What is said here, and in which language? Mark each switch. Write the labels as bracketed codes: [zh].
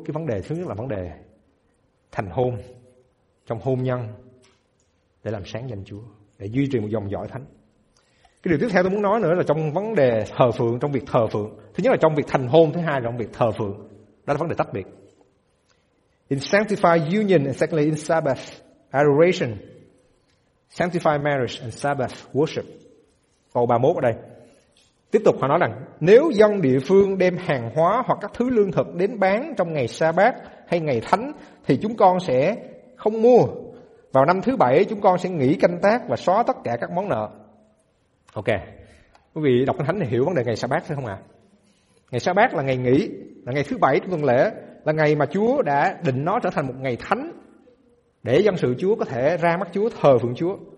[vi] Cái vấn đề thứ nhất là vấn đề thành hôn, trong hôn nhân, để làm sáng danh Chúa, để duy trì một dòng dõi thánh. Cái điều tiếp theo tôi muốn nói nữa là trong vấn đề thờ phượng, trong việc thờ phượng. Thứ nhất là trong việc thành hôn, thứ hai là trong việc thờ phượng. Đó là vấn đề tách biệt. [en] In sanctified union and secondly in Sabbath adoration, sanctified marriage and Sabbath worship. [vi] Câu 31 ở đây tiếp tục họ nói rằng nếu dân địa phương đem hàng hóa hoặc các thứ lương thực đến bán trong ngày Sa-bát hay ngày thánh thì chúng con sẽ không mua. Vào năm thứ bảy chúng con sẽ nghỉ canh tác và xóa tất cả các món nợ. Ok, quý vị đọc kinh thánh thì hiểu vấn đề ngày Sa-bát phải không ạ? Ngày Sa-bát là ngày nghỉ, là ngày thứ bảy trong tuần lễ, là ngày mà Chúa đã định nó trở thành một ngày thánh để dân sự Chúa có thể ra mắt Chúa, thờ phượng Chúa.